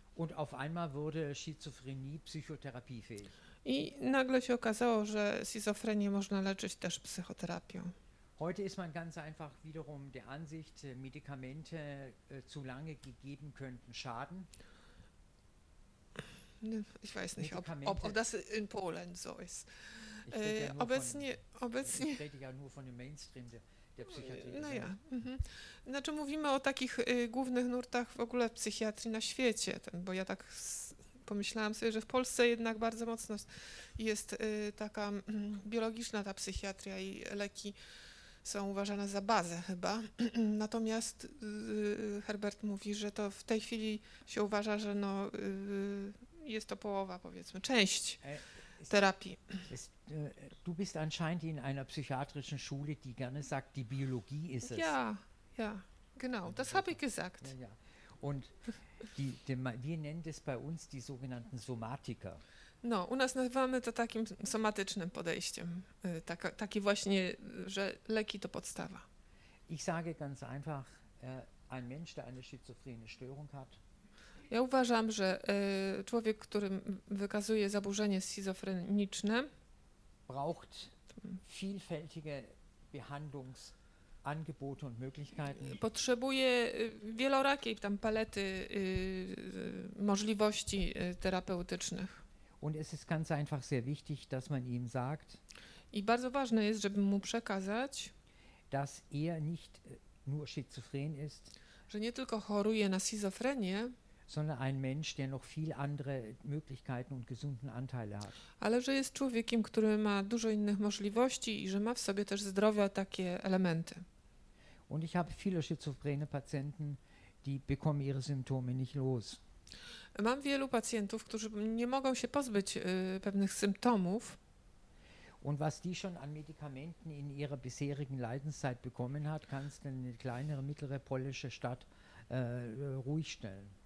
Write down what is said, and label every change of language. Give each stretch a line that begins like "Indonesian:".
German: Und auf einmal wurde Schizophrenie psychotherapiefähig.
Polish: I nagle się okazało, że schizofrenię można leczyć też psychoterapią.
German: Heute ist man ganz einfach wiederum der Ansicht, Medikamente zu lange gegeben könnten schaden. Ich weiß nicht, ob das in Polen so ist.
Polish: Obecnie.
German: Ich rede ja nur von dem Mainstream der Psychiatrie. Naja.
Polish: Znaczy, mówimy o takich głównych nurtach w ogóle psychiatrii na świecie, bo ja tak pomyślałam sobie, że w Polsce jednak bardzo mocno jest taka biologiczna ta psychiatria i leki są uważane za bazę chyba. Natomiast Herbert mówi, że to w tej chwili się uważa, że no, jest to połowa, powiedzmy, część terapii.
German: Du bist anscheinend in einer psychiatrischen Schule, die gerne sagt, die Biologie ist es. Ja, ja, genau, das habe ich gesagt. Ja, ja. Und wir nennen das bei uns die sogenannten Somatiker.
Polish: No, u nas nazywamy to takim somatycznym podejściem, taki właśnie, że leki to podstawa.
German: Ich sage ganz einfach, ein Mensch, der eine schizophrenie Störung hat.
Polish: Ja uważam, że człowiek, który wykazuje zaburzenie schizofreniczne,
German: braucht vielfältige Behandlungsangebote und Möglichkeiten.
Polish: Potrzebuje wielorakiej tam palety możliwości terapeutycznych.
German: Und es ist ganz einfach sehr wichtig, dass man ihm sagt,
Polish: i bardzo ważne jest, żeby mu przekazać,
German: dass nicht nur schizophren ist,
Polish: że nie tylko choruje na schizofrenię,
German: sondern ein Mensch, der noch viel andere Möglichkeiten und gesunden Anteile hat.
Polish: Ale że jest człowiekiem, który ma dużo innych możliwości i że ma w sobie też zdrowia takie elementy.
German: Und ich habe viele schizophrene Patienten, die bekommen ihre Symptome nicht los.
Polish: Mam wielu pacjentów, którzy nie mogą się pozbyć pewnych symptomów.
German: Und was die schon an Medikamenten in ihrer bisherigen Leidenszeit bekommen hat, kannst du in eine kleinere mittlere polnische Stadt ruhig stellen.